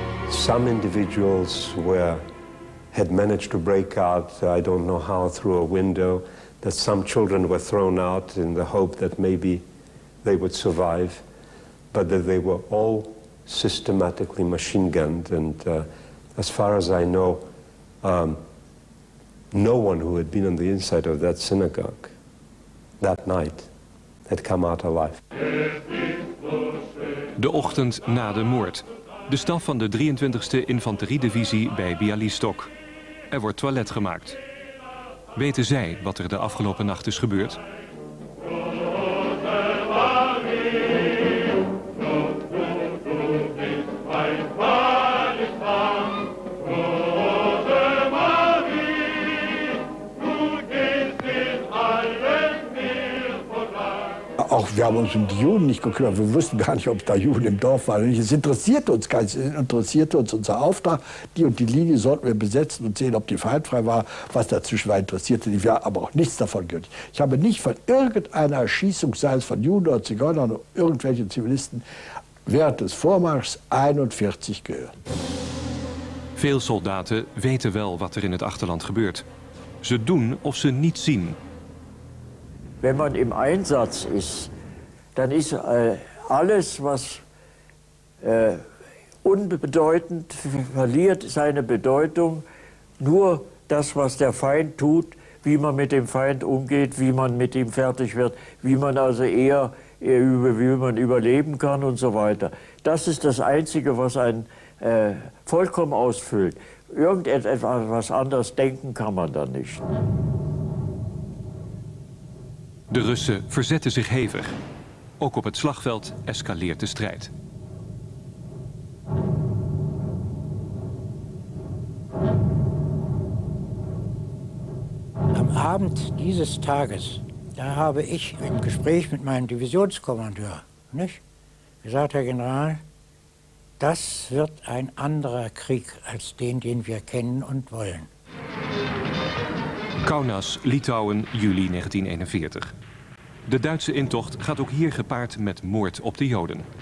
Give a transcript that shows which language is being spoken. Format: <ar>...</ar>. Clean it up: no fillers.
<en>Some individuals had managed to break out, I don't know how, through a window, that some children were thrown out in the hope that maybe they would survive, but that they were all systematically machine gunned. And as far as I know, no one who had been on the inside of that synagogue that night had come out alive.</en> <nl>De ochtend na de moord. De staf van de 23e Infanteriedivisie bij Bialystok. Er wordt toilet gemaakt. Weten zij wat er de afgelopen nacht is gebeurd?</nl> <de>Auch wir haben uns um die Juden nicht gekümmert. Wir wussten gar nicht, ob da Juden im Dorf waren. Es interessierte uns gar nicht. Es interessierte uns unser Auftrag. Die und die Linie sollten wir besetzen und sehen, ob die feindfrei war. Was dazwischen war, interessierte die. Wir haben aber auch nichts davon gehört. Ich habe nicht von irgendeiner Erschießung, sei es von Juden oder Zigeunern oder irgendwelchen Zivilisten, während des Vormarschs 41 gehört.</de> <nl>Veel Soldaten weten wel, was in het Achterland gebeurt. Ze doen of ze niet zien.</nl> <de>Wenn man im Einsatz ist, dann ist alles, was unbedeutend verliert, seine Bedeutung. Nur das, was der Feind tut, wie man mit dem Feind umgeht, wie man mit ihm fertig wird, wie man also wie man überleben kann und so weiter. Das ist das Einzige, was einen vollkommen ausfüllt. Irgendetwas anderes denken kann man dann nicht.</de> <nl>De Russen verzetten zich hevig. Ook op het slagveld escaleert de strijd.</nl> <de>Am Abend dieses Tages, da habe ich im Gespräch mit meinem Divisionskommandeur, nicht? Gesagt, Herr General, das wird ein anderer Krieg als den, den wir kennen und wollen.</de> <nl>Kaunas, Litouwen, juli 1941. De Duitse intocht gaat ook hier gepaard met moord op de Joden.</nl>